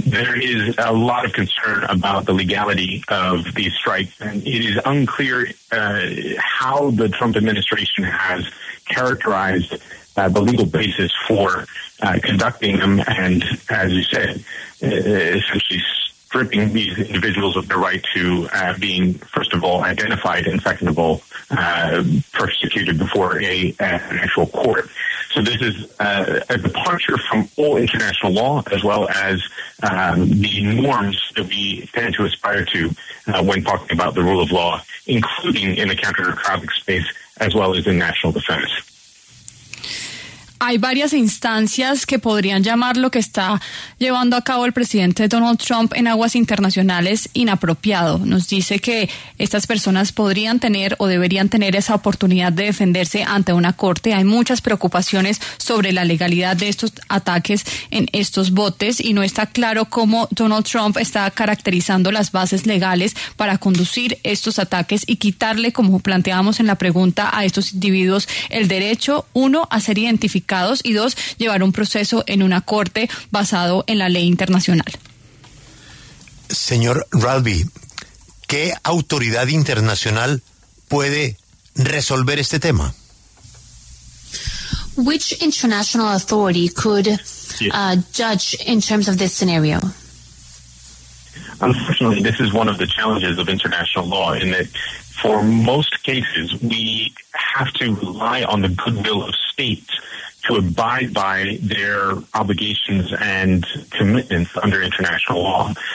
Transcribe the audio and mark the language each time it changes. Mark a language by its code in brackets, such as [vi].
[en] There is a lot of concern about the legality of these strikes, and it is unclear how the Trump administration has characterized the legal basis for conducting them, and as you said, essentially stripping these individuals of their right to being, first of all, identified and, second of all, persecuted before an actual court. So this is a departure from all international law as well as the norms that we tend to aspire to when talking about the rule of law, including in the counter-narcotic space as well as in national defense. [es] Hay varias instancias que podrían llamar lo que está llevando a cabo el presidente Donald Trump en aguas internacionales inapropiado. Nos dice que estas personas podrían tener o deberían tener esa oportunidad de defenderse ante una corte. Hay muchas preocupaciones sobre la legalidad de estos ataques en estos botes y no está claro cómo Donald Trump está caracterizando las bases legales para conducir estos ataques y quitarle, como planteábamos en la pregunta, a estos individuos el derecho, uno, a ser identificados y dos, llevar un proceso en una corte basado en la ley internacional. señor Rugby, ¿qué autoridad internacional puede resolver este tema? [en] Which international authority could judge in terms of this scenario? Unfortunately, this is one of the challenges of international law, in that for most cases, we have to rely on the goodwill of states to abide by their obligations and commitments under international law.